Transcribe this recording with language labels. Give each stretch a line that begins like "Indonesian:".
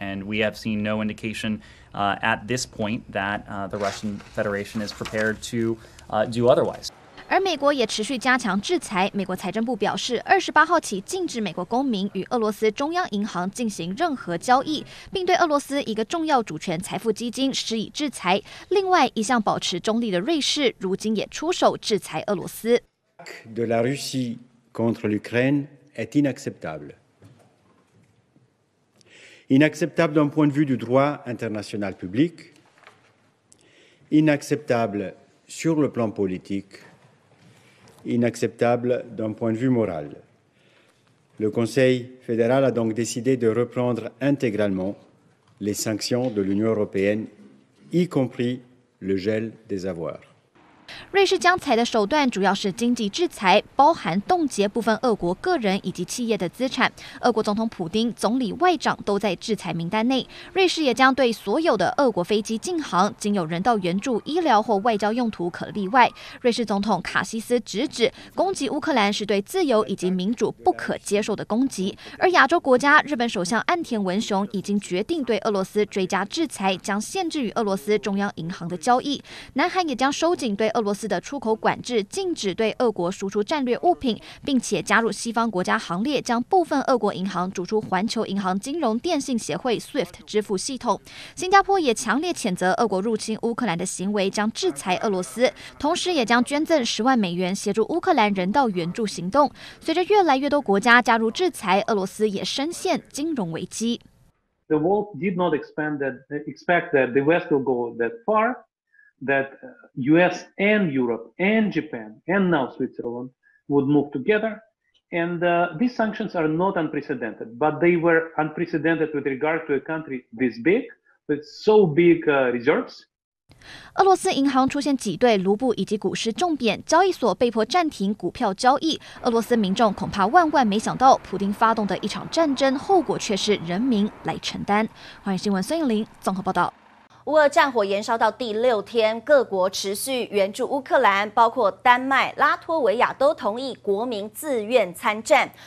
English: And we have seen no indication at this point that the Russian Federation is prepared to do otherwise.
Chinese: 而美国也持续加强制裁。美国财政部表示，28号起禁止美国公民与俄罗斯中央银行进行任何交易，并对俄罗斯一个重要主权财富基金施以制裁。另外，一向保持中立的瑞士，如今也出手制裁俄罗斯。
French: De la Russie contre l'Ukraine est inacceptable. Inacceptable d'un point de vue du droit international public, inacceptable sur le plan politique, inacceptable d'un point de vue moral. Le Conseil fédéral a donc décidé de reprendre intégralement les sanctions de l'Union européenne, y compris le gel des avoirs.
Chinese: 瑞士将采的手段主要是经济制裁，包含冻结部分俄国个人以及企业的资产。俄国总统普丁、总理、外长都在制裁名单内。瑞士也将对所有的俄国飞机禁航，仅有人道援助、医疗或外交用途可例外。瑞士总统卡西斯直指攻击乌克兰是对自由以及民主不可接受的攻击。而亚洲国家日本首相岸田文雄已经决定对俄罗斯追加制裁，将限制与俄罗斯中央银行的交易。南韩也将收紧对俄罗斯的出口管制，禁止对俄国输出战略物品，并且加入西方国家行列，将部分俄国银行逐出环球银行金融电信协会 SWIFT 支付系统。新加坡也强烈谴责俄国入侵乌克兰的行为，将制裁俄罗斯，同时也将捐赠10万美元协助乌克兰人道援助行动。随着越来越多国家加入制裁，俄罗斯也深陷金融危机。
English: The world did not expect that the West will go that far. That US and Europe and Japan and now Switzerland would move together. And these sanctions are not unprecedented, but they were unprecedented with regard to a country this big, with so big reserves.
Chinese: 俄罗斯银行出现挤兑，卢布以及股市重贬，交易所被迫暂停股票交易。俄罗斯民众恐怕万万没想到，普丁发动的一场战争，后果却是人民来承担。欢迎新闻孙颖玲综合报道。乌俄战火延烧到第六天，各国持续援助乌克兰，包括丹麦、拉脱维亚都同意国民自愿参战。